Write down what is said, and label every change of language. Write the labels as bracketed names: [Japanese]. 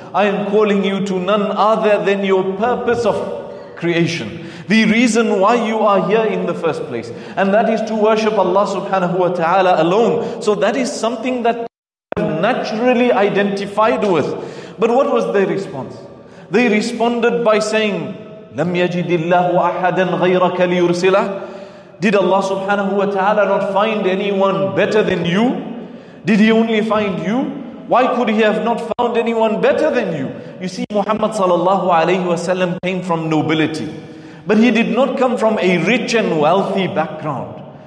[English] I am calling you to none other than your purpose of creation. The reason why you are here in the first place. And that is to worship Allah subhanahu wa ta'ala alone. So that is something that you have naturally identified with. But what was their response? They responded by saying, [Arabic] لَمْ يَجِدِ اللَّهُ أَحَدًا غَيْرَكَ لِيُرْسِلَهُ. [English] Did Allah subhanahu wa ta'ala not find anyone better than you? Did He only find you? Why could He have not found anyone better than you? You see, Muhammad sallallahu alayhi wa sallam came from nobility. But he did not come from a rich and wealthy background.